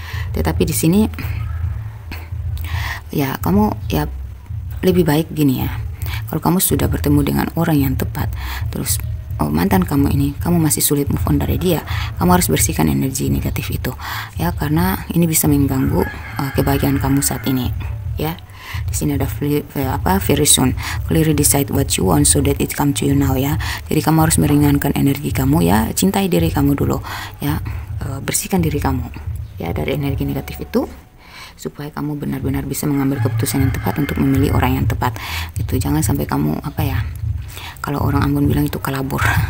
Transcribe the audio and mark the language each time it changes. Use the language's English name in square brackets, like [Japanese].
[Indonesian] Tetapi di sini ya, kamu ya lebih baik gini ya. Kalau kamu sudah bertemu dengan orang yang tepat, terus mantan kamu ini kamu masih sulit move on dari dia, kamu harus bersihkan energi negatif itu ya, karena ini bisa mengganggu kebahagiaan kamu saat ini ya. Di sini ada [English] very soon, clearly decide what you want so that it come to you now ya. [Indonesian] Jadi kamu harus meringankan energi kamu ya, cintai diri kamu dulu ya, bersihkan diri kamu ya dari energi negatif itu, supaya kamu benar-benar bisa mengambil keputusan yang tepat untuk memilih orang yang tepat gitu. Jangan sampai kamu kalau orang Ambon bilang itu kalabur.